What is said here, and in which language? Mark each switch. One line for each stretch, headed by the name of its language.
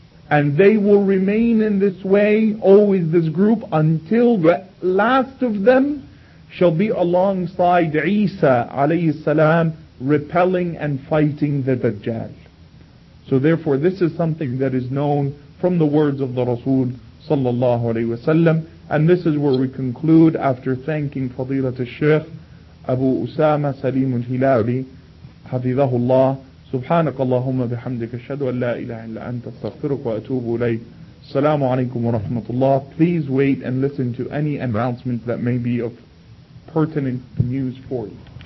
English: And they will remain in this way, always this group, until the last of them shall be alongside Isa alayhi salam, repelling and fighting the Dajjal. So therefore this is something that is known from the words of the Rasul
Arabic: صلى الله عليه وسلم.
English: And this is where we conclude after thanking فضيلة الشيخ أبو أسامة سليم الهلالي حفظه الله.
Arabic: سبحانك اللهم بحمدك أشهد أن لا إله إلا أنت استغفرك وأتوب إليك. السلام عليكم ورحمة الله.
English: Please wait and listen to any announcement that may be of pertinent news for you.